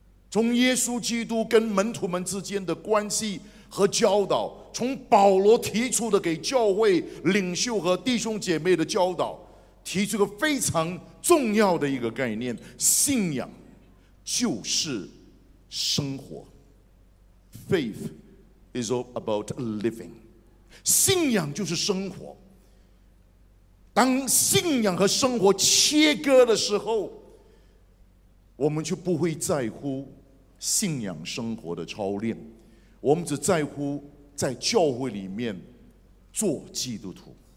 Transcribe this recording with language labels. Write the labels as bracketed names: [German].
[Chinese] 从耶稣基督跟门徒们之间的关系和教导，从保罗提出的给教会领袖和弟兄姐妹的教导，提出个非常重要的一个概念，信仰就是生活。 [English] Faith is all about living. [Chinese] 信仰就是生活。当信仰和生活切割的时候，我们就不会在乎信仰生活的操练，我们只在乎在教会里面做基督徒。